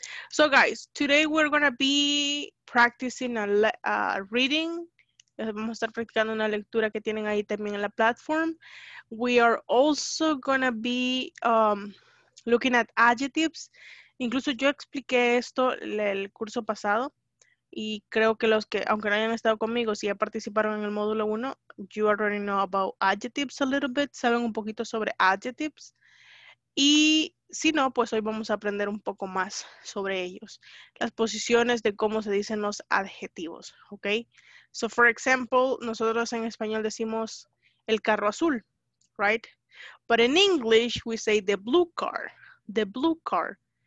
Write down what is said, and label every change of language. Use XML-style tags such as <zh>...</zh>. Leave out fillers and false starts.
<en>So, guys, today we're going to be practicing a reading.</en> <es>Vamos a estar practicando una lectura que tienen ahí también en la platform.</es> <en>We are also going to be looking at adjectives.</en> <es>Incluso yo expliqué esto el curso pasado. Y creo que los que, aunque no hayan estado conmigo, si ya participaron en el módulo 1,</es> <en>you already know about adjectives a little bit,</en> <es>saben un poquito sobre adjectives. Y si no, pues hoy vamos a aprender un poco más sobre ellos. Las posiciones de cómo se dicen los adjetivos, ¿ok?</es> <en>So, for example,</en> <es>nosotros en español decimos el carro azul, right?</es> <en>But in English, we say the blue car, the blue car.</en>